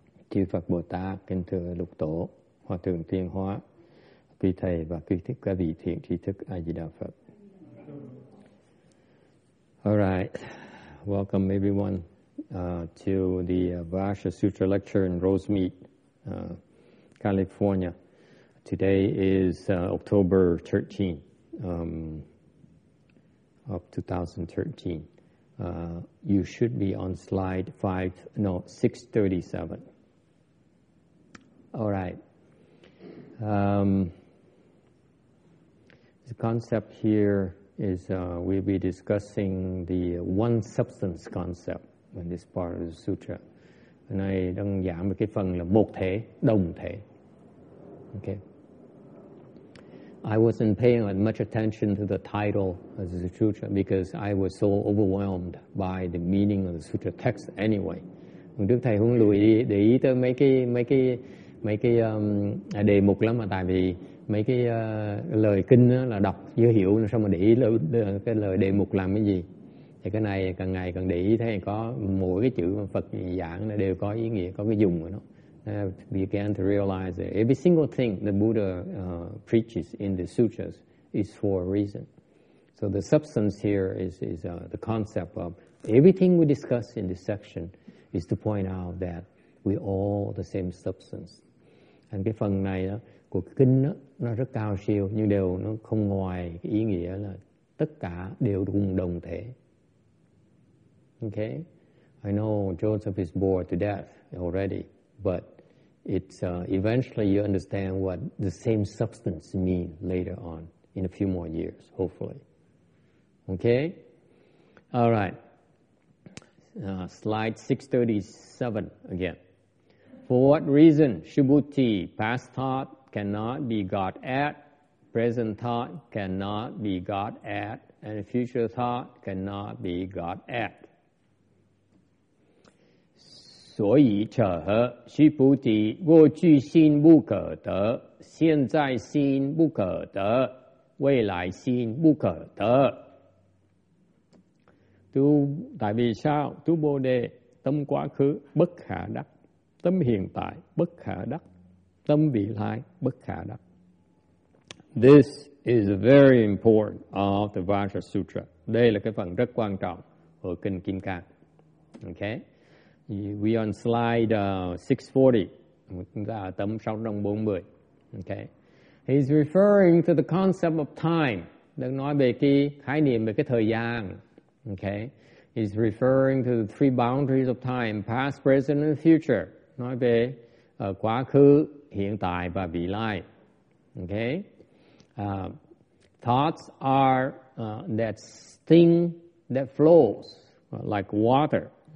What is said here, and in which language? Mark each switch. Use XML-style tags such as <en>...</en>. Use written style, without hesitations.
<vi>Chư Phật Bồ Tát, Kinh Thưa Lục Tổ, Hòa Thượng Thiên Hóa, Quý Thầy và Quý Thức, Quý Vị Thiện Trí Thức, A Di Đà Phật.</vi> <en>All right. Welcome, everyone, to the Vajra Sutra Lecture in Rosemead, California. Today is October 13, 2013. You should be on slide 637. All right. The concept here is we'll be discussing the one substance concept in this part of the sutra. And I</en> <vi>đang giảng cái phần là một thể, đồng thể.</vi> <en>Okay. I wasn't paying much attention to the title of the sutra because I was so overwhelmed by the meaning of the sutra text anyway.</en> <vi>Đức thầy không lưu ý để ý tới mấy cái đề mục lắm, mà tại vì mấy cái lời kinh là đọc chưa hiểu, sao mà để ý cái lời đề mục làm cái gì. Thì cái này càng ngày càng để ý thấy có mỗi cái chữ Phật giảng nó đều có ý nghĩa, có cái dùng của nó.</vi> <en>Began to realize that every single thing the Buddha preaches in the sutras is for a reason. So the substance here is the concept of everything we discuss in this section is to point out that we all the same substance.</en> <vi>And cái phần này đó, của kinh đó, nó rất cao siêu, nhưng đều nó không ngoài cái ý nghĩa là tất cả đều cùng đồng thể.</vi> <en>Okay, I know Joseph is bored to death already, but it's eventually you understand what the same substance mean later on in a few more years, hopefully. Okay, all right. Slide 637 again. For what reason, Shubhuti, past thought, cannot be got at, present thought cannot be got at, and future thought cannot be got at.</en> <zh>所以扯合须菩提，过去心不可得，现在心不可得，未来心不可得。</zh> <vi>Tu tại vì sao? Tu bồ đề tâm quá khứ bất khả đắc, tâm hiện tại bất khả đắc, tâm vị lai bất khả đắc.</vi> <en>This is very important of the Vajra Sutra.</en> <vi>Đây là cái phần rất quan trọng ở kinh Kim Cang.</vi> <en>Okay. We on slide 640. Tâm 640. Okay. He's referring to the concept of time.</en> <vi>Đang nói về cái khái niệm về cái thời gian.</vi> <en>Okay. He's referring to the three boundaries of time, past, present and future.</en> <vi>Nói về quá khứ, hiện tại và vị lai.</vi> <en>Okay. Thoughts are that thing that flows like water.</en>